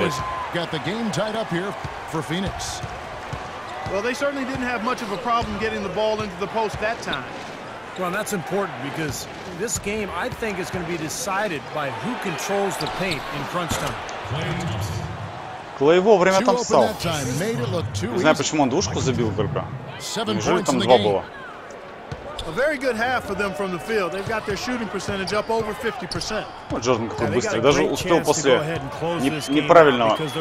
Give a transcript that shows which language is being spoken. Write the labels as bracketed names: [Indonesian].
[English] Noah's got the game tied up here for Phoenix. Well, they certainly didn't have much of a problem getting the ball into the post that time. Well, that's important because this game, I think, is going to be decided by who controls the paint in crunch time. [Russian] Клей вовремя там встал. Не знаю, почему он двушку забил только. Неужели там два было? [English] A very good half for them from the field. They've got their shooting percentage up over 50%. [Russian] Вот Джордан какой быстрый. Даже успел после неправильного.